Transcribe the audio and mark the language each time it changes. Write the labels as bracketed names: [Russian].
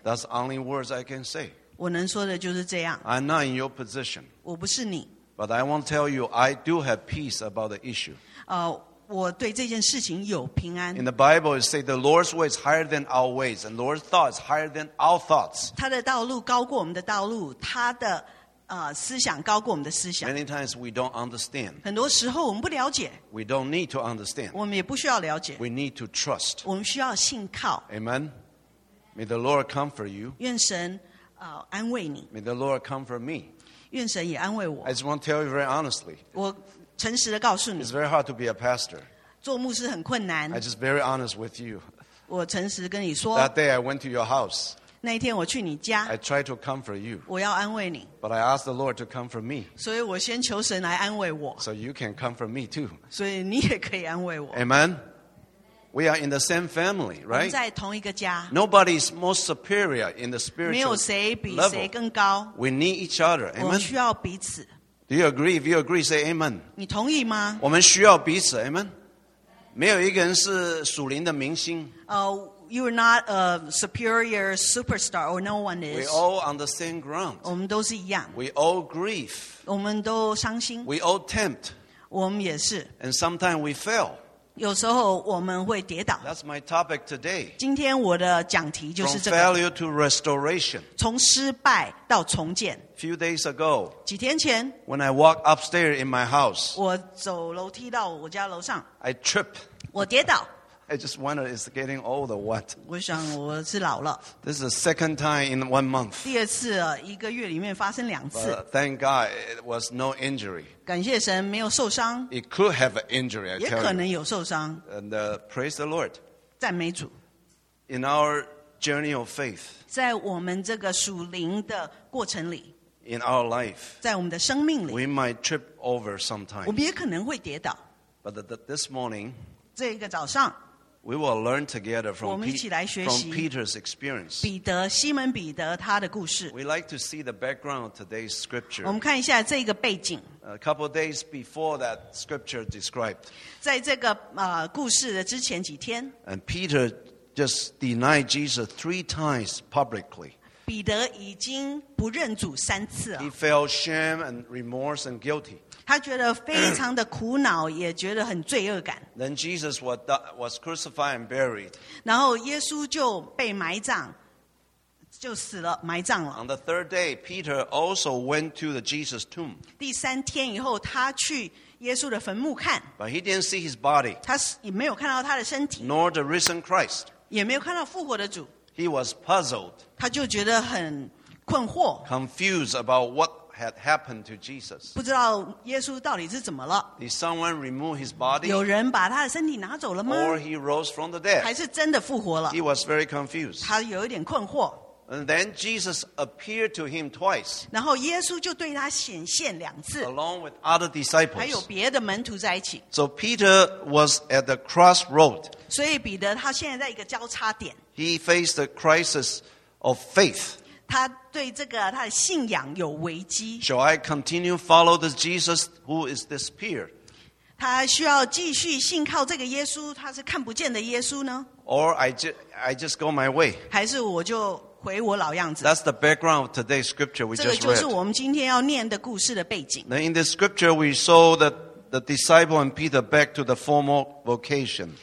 [English] That's the only words I can say. [Chinese] 我能说的就是这样。 [English] I'm not in your position. [Chinese] 我不是你。 [English] But I want to tell you, I do have peace about the issue. [Chinese] 我对这件事情有平安。 [English] In the Bible, it says the Lord's way is higher than our ways, and Lord's thoughts higher than our thoughts. [Chinese] 他的道路高过我们的道路，他的思想高过我们的思想。 [English] Many times we don't understand. [Chinese] 很多时候我们不了解。 [English] We don't need to understand. [Chinese] 我们也不需要了解。 [English] We need to trust. [Chinese] 我们需要信靠。 [English] Amen. May the Lord comfort you. [Chinese] 愿神安慰你。 [English] May the Lord comfort me. [Chinese] 愿神也安慰我。 [English] I just want to tell you very honestly. [Chinese] 我诚实地告诉你 [English] It's very hard to be a pastor. [Chinese] 做牧师很困难 [English] I'm just very honest with you. [Chinese] 我诚实跟你说 [English] That day I went to your house. [Chinese] 那一天我去你家 [English] I tried to comfort you. [Chinese] 我要安慰你 [English] But I asked the Lord to comfort me. [Chinese] 所以我先求神来安慰我 [English] So you can comfort me too. [Chinese] 所以你也可以安慰我 [English] Amen. We are in the same family, right? [Chinese] 我们在同一个家 [English] Nobody is more superior in the spiritual level. [Chinese] 没有谁比谁更高 [English] We need each other, amen. [Chinese] 我们需要彼此 [English] Do you agree? If you agree, say amen. [Chinese] 你同意吗？我们需要彼此 ，amen. 没有一个人是属灵的明星。 [English] You are not a superior superstar, or no one is. We all on the same ground. [Chinese] 我们都是一样。 [English] We all grieve. [Chinese] 我们都伤心。 [English] We all tempt. [Chinese] 我们也是。 [English] And sometimes we fail. [Chinese] 有时候我们会跌倒。 [English] That's my topic today. [Chinese] 今天我的讲题就是这个。 [English] From failure to restoration. [Chinese] 从失败到重建。 [English] Few days ago, [Chinese] 几天前, [English] when I walked upstairs in my house, [Chinese] 我走楼梯到我家楼上, [English] I tripped. [Chinese] 我跌倒, [English] I just wondered, is it getting old or what? [Chinese] 我想我是老了。 [English] This is the second time in 1 month. [Chinese] 第二次一个月里面发生两次。 [English] But thank God, it was no injury. [Chinese] 感谢神没有受伤。 [English] It could have an injury, I tell you. [Chinese] 也可能有受伤。 [English] And praise the Lord. [Chinese] 赞美主。 [English] In our journey of faith, [Chinese] 在我们这个属灵的过程里, [English] In our life, [Chinese] 在我们的生命里, [English] we might trip over sometimes. [Chinese] 我们也可能会跌倒。 [English] But this morning, [Chinese] 这个早上, [English] we will learn together from, [Chinese] 我们一起来学习, [English] from Peter's experience. [Chinese] 彼得, 西门彼得他的故事。 [English] We like to see the background of today's scripture. [Chinese] 我们看一下这个背景。 [English] A couple of days before that scripture described. [Chinese] 在这个故事的之前几天。 [English] And Peter just denied Jesus 3 times publicly. [Chinese] 彼得已经不认主三次了。 [English] He felt shame and remorse and guilty. [Chinese] 他觉得非常的苦恼，也觉得很罪恶感。 [English] Then Jesus was crucified and buried. [Chinese] 然后耶稣就被埋葬，就死了，埋葬了。 [English] On the third day, Peter also went to the Jesus tomb. [Chinese] 第三天以后，他去耶稣的坟墓看。 [English] But he didn't see his body. [Chinese] 他也没有看到他的身体。 [English] Nor the risen Christ. [Chinese] 也没有看到复活的主。 [English] He was puzzled. [Chinese] 他就觉得很困惑。 [English] Confused about what had happened to Jesus. [Chinese] 不知道耶稣到底是怎么了。 [English] Did someone remove his body? [Chinese] 有人把他的身体拿走了吗？ [English] Or he rose from the dead? [Chinese] 还是真的复活了？ [English] He was very confused. [Chinese] 他有一点困惑。 [English] And then Jesus appeared to him twice. [Chinese] 然后耶稣就对他显现两次。 [English] Along with other disciples. [Chinese] 还有别的门徒在一起。 [English] So Peter was at the crossroad. [Chinese] 所以彼得他现在在一个交叉点。 [English] He faced a crisis of faith. [Chinese] 他对这个他的信仰有危机。 [English] Shall I continue follow this Jesus who is disappeared? [Chinese] 他需要继续信靠这个耶稣，他是看不见的耶稣呢？ [English] Or I just go my way. [Chinese] 还是我就回我老样子。 [English] That's the background of today's scripture we just read. [Chinese] 这个就是我们今天要念的故事的背景。 [English] Then in this scripture we saw that the disciple and Peter back to the former vocation.